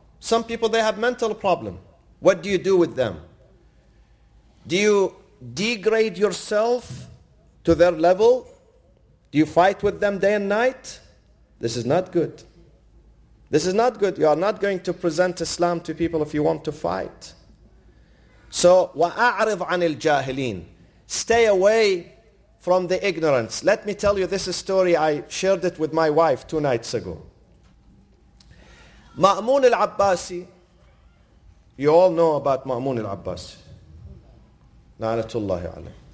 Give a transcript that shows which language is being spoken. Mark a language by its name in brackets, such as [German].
[English] Some people, they have mental problem. What do you do with them? Do you degrade yourself to their level? Do you fight with them day and night? This is not good. This is not good. You are not going to present Islam to people if you want to fight. [Arabic] So, وَأَعْرِضْ عَنِ الْجَاهِلِينَ. [English] Stay away from the ignorance. Let me tell you this story. I shared it with my wife 2 nights ago. Ma'mun al-Abbasi. You all know about Ma'mun al-Abbasi. [Arabic] La'anatullahi alayhi.